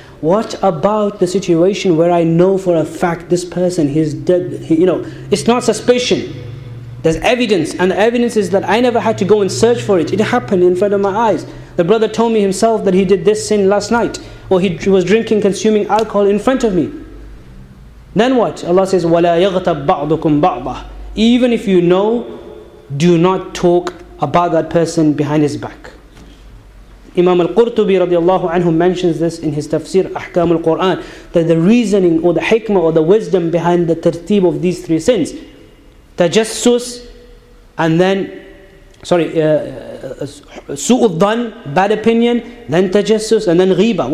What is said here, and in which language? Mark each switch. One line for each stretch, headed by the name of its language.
English: What about the situation where I know for a fact this person, he's dead? It's not suspicion. There's evidence, and the evidence is that I never had to go and search for it. It happened in front of my eyes. The brother told me himself that he did this sin last night, or he was drinking, consuming alcohol in front of me. Then what?
Arabic: Allah says, وَلَا يَغْتَبْ بَعْضُكُمْ بَعْضًا.
English: Even if you know, do not talk about that person behind his back. Imam Al-Qurtubi radiallahu anhu mentions this in his tafsir, Ahkam Al-Quran, that the reasoning or the hikmah or the wisdom behind the tertib of these three sins, tajassus, and then, su'ud dhan, bad opinion, then tajassus, and then ghiba.